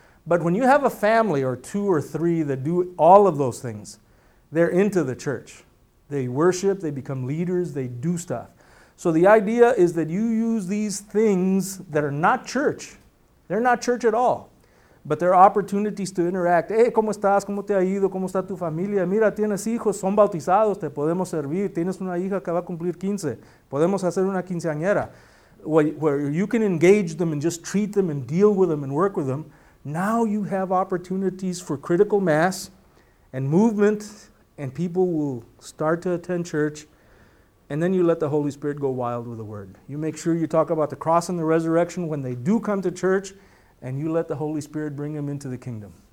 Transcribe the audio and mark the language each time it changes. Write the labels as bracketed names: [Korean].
[English] But when you have a family or 2 or 3 that do all of those things, they're into the church. They worship, they become leaders, they do stuff. So the idea is that you use these things that are not church. They're not church at all. But there are opportunities to interact. [Spanish] Hey, ¿cómo estás? ¿Cómo te ha ido? ¿Cómo está tu familia? Mira, tienes hijos, son bautizados, te podemos servir. Tienes una hija que va a cumplir 15. Podemos hacer una quinceañera. [English] Where you can engage them and just treat them and deal with them and work with them. Now you have opportunities for critical mass and movement, and people will start to attend church. And then you let the Holy Spirit go wild with the word. You make sure you talk about the cross and the resurrection when they do come to church, and you let the Holy Spirit bring them into the kingdom.